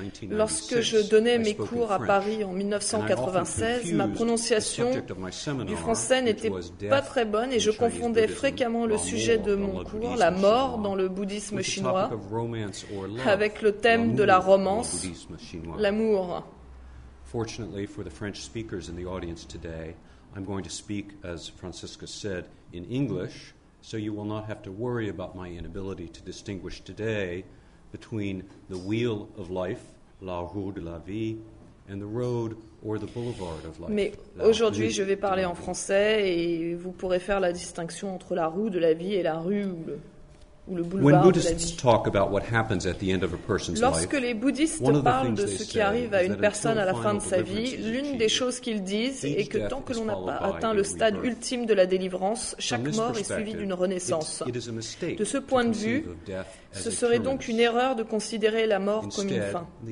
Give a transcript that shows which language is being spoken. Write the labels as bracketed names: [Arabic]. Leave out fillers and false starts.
[French] Lorsque je donnais mes cours à Paris en 1996, ma prononciation du français n'était pas très bonne et je confondais fréquemment le sujet de mon cours, la mort dans le bouddhisme chinois, avec le thème de la romance, l'amour. [English] Fortunately for the French speakers in the audience today, I'm going to speak, as Francisca said, in English, so you will not have to worry about my inability to distinguish today between the wheel of life, [French] la roue de la vie, [English] and the road or the boulevard of life. [French] Mais aujourd'hui, je vais parler en français et vous pourrez faire la distinction entre la roue de la vie et la rue ou le boulevard. [English] When Buddhists talk about what happens at the end of a person's life, [French] lorsque les bouddhistes parlent de ce qui arrive à une personne à la fin de sa vie, l'une des choses qu'ils disent est que tant que l'on n'a pas atteint le stade ultime de la délivrance, chaque mort est suivie d'une renaissance. De ce point de vue, ce serait donc une erreur de considérer la mort comme une fin.